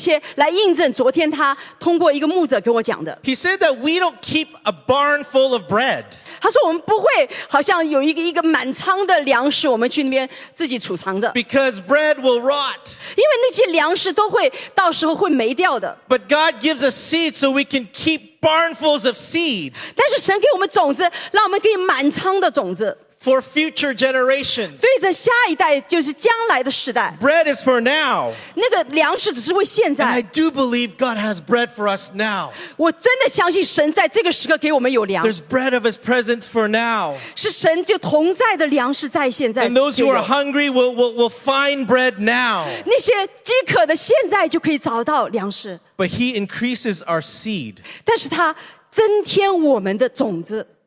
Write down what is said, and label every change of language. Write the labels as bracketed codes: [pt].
[zh] 所以因为我特别兴奋，神借着这些来印证昨天他通过一个牧者给我讲的。 [en] He said that we don't keep a barn full of bread. [zh] 他说我们不会好像有一个满仓的粮食，我们去那边自己储藏着。 [en] Because bread will rot. [zh] 因为那些粮食都会到时候会霉掉的。 [en] But God gives us seed so we can keep barnfuls of seed. [zh] 但是神给我们种子，让我们可以满仓的种子。 [en] For future generations. [zh] 对着下一代就是将来的世代。 [en] Bread is for now. [zh] 那个粮食只是为现在。 [en] And I do believe God has bread for us now. [zh] 我真的相信神在这个时刻给我们有粮。 [en] There's bread of His presence for now. [zh] 是神就同在的粮食在现在。 [en] And those who are hungry will find bread now. [zh] 那些饥渴的现在就可以找到粮食。 [en] But He increases our seed. [zh] 但是他增添我们的种子。